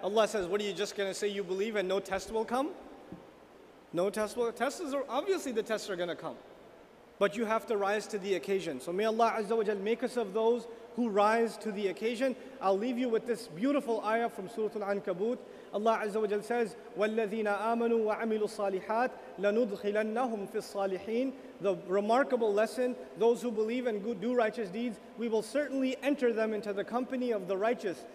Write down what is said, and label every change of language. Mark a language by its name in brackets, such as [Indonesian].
[English] Allah says, what are you just going to say you believe and no test will come? No test will come? Obviously the tests are going to come. But you have to rise to the occasion. So may Allah Azza wa Jal make us of those who rise to the occasion. I'll leave you with this beautiful ayah from Surat Al Ankabut. [Arabic] Allah Azza wa Jal says, وَالَّذِينَ آمَنُوا وَعَمِلُوا الصَّالِحَاتِ لَنُدْخِلَنَّهُمْ فِي الصَّالِحِينَ. [English] The remarkable lesson, those who believe and do righteous deeds, we will certainly enter them into the company of the righteous.